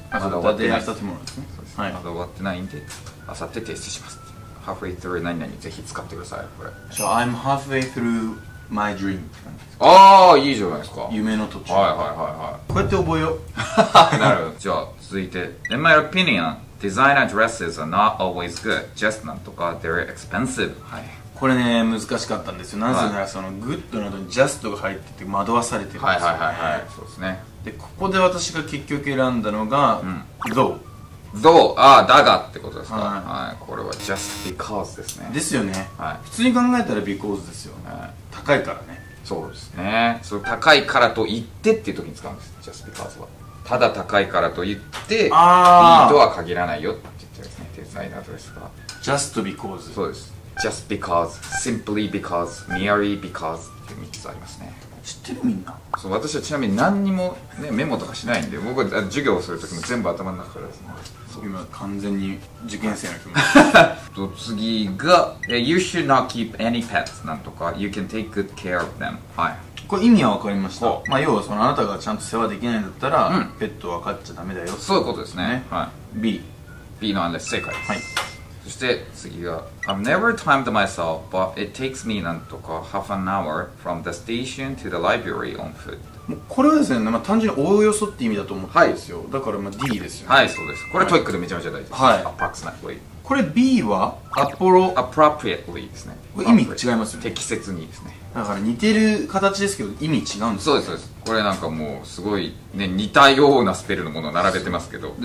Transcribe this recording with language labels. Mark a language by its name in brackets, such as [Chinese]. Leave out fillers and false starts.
[Japanese] まだ終わってないんですね。まだ終わってないんで、あさって提出します。ハーフウェイ [English] through [Japanese] 何々ぜひ使ってください。これ [English] So I'm halfway through my dream [Japanese] って感じ。ああ、いいじゃないですか。夢の途中。はいはいはいはい。こうやって覚えよう。なるほど。じゃあ、続いて。 [English] In my opinion, designer dresses are not always good. Just [Japanese] なんとか [English] they're expensive. [Japanese] はい。これね、難しかったんですよ。なぜなら、はい、その good の後に just が入ってて惑わされてるんですよ、ね。はい、はいはいはい。そうですね。で、ここで私が結局選んだのが、うん、 [English] though。 [Japanese] ああ、だがってことですか。はい。はい、これは just because ですね。ですよね。はい。普通に考えたら because ですよ。はい。高いからね。そうですね、それ高いからと言ってっていう時に使うんです、just because は。ただ高いからと言って、いいとは限らないよって言ってるんですね、デザイナーですが。 [English] just because。 [Japanese] そうです。 [English] just because、simply because、merely because [Japanese] っていう3つありますね。知ってるみんな。そう、私はちなみに何にも、ね、メモとかしないんで、僕は授業をする時も全部頭の中からですね。今完全に受験生の気持ち。次が [English] You should not keep any pets [Japanese] なんとか [English] You can take good care of them、 [Japanese] はい、これ意味は分かりました。まあ要はそのあなたがちゃんと世話できないんだったら、うん、ペットは飼っちゃダメだよ、そういうことですね、はい、 [English] B [Japanese] B の案です、正解です、はい、そして次が [English] I've never timed myself but it takes me [Japanese] なんとか [English] half an hour from the station to the library on foot。 [Japanese] もうこれはですね、まあ、単純におおよそって意味だと思ってるんですよ、はい、だからまあ D ですよね、はい、そうです、これトイックでめちゃめちゃ大事です、はい、 [English] approximately。 [Japanese] これ B はアポロ appropriately ですね、これ意味違いますよね、適切にですね、だから似てる形ですけど意味違うんですよ、ね、そうですそうです、これなんかもうすごいね、似たようなスペルのものを並べてますけど、